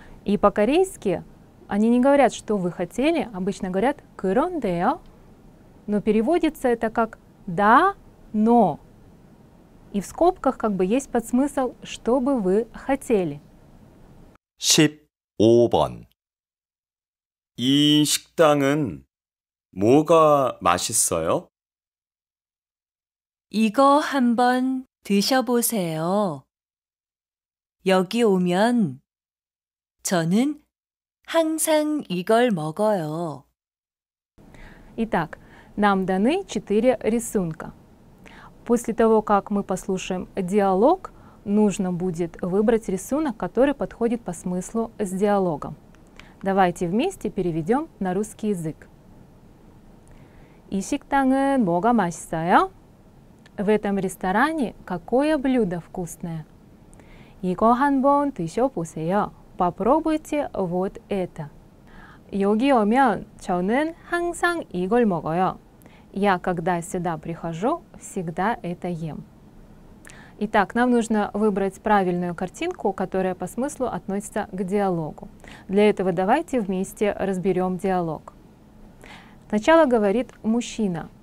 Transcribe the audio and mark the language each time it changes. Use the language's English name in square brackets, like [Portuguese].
[Russian] И по-корейски они не говорят «что вы хотели», обычно говорят 그런데요. Но переводится это как «да, но». И в скобках как бы есть подсмысл «что бы вы хотели». [Korean] 15번. 이 식당은 뭐가 맛있어요? 이거 한번 드셔보세요. 여기 오면 저는 항상 이걸 먹어요. [Russian] Итак, нам даны четыре рисунка. После того, как мы послушаем диалог, нужно будет выбрать рисунок, который подходит по смыслу с диалогом. Давайте вместе переведем на русский язык. [Korean] 이 식당은 뭐가 맛있어요? [Russian] В этом ресторане какое блюдо вкусное? [Korean] 이거 한번 드셔보세요. [Russian] Попробуйте вот это. [Korean] 여기 오면 저는 항상 이걸 먹어요. [Russian] Я, когда сюда прихожу, всегда это ем. Итак, нам нужно выбрать правильную картинку, которая по смыслу относится к диалогу. Для этого давайте вместе разберем диалог. Сначала говорит мужчина.